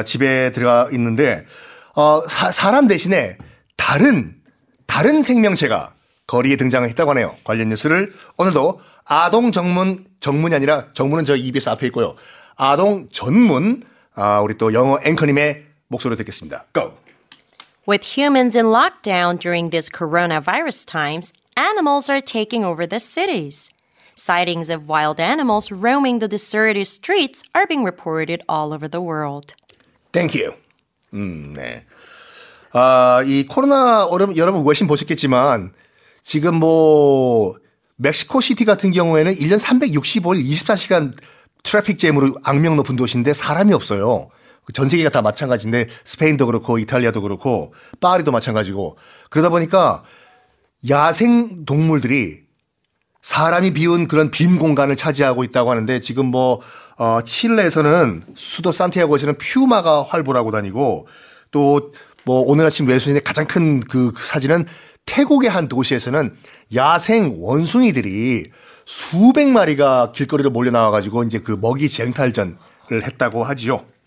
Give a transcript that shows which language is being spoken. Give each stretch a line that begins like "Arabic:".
Korean: 다 집에 들어가 있는데 사람 대신에 다른 생명체가 거리에 등장했다고 하네요. 관련 뉴스를 오늘도 아동 정문이 아니라 정문은 저 EBS 앞에 있고요. 아동 전문 우리 또 영어 앵커님의 목소리로 듣겠습니다.
English: Go. With humans in lockdown during this coronavirus times, animals are taking over the cities. Sightings of wild animals roaming the deserted streets are being reported all over the world. Thank you.
Korean: 네. 이 코로나 여러분 외신 보셨겠지만 지금 뭐 멕시코 시티 같은 경우에는 1년 365일 24시간 트래픽 잼으로 악명 높은 도시인데 사람이 없어요. 전 세계가 다 마찬가지인데 스페인도 그렇고 이탈리아도 그렇고 파리도 마찬가지고 그러다 보니까 야생 동물들이 사람이 비운 그런 빈 공간을 차지하고 있다고 하는데 지금 뭐 칠레에서는 수도 산티아고에서는 퓨마가 활보라고 다니고 또 뭐 오늘 아침 외신의 가장 큰 그 사진은 태국의 한 도시에서는 야생 원숭이들이 수백 마리가 길거리로 몰려 나와가지고 이제 그 먹이 쟁탈전을 했다고 하지요.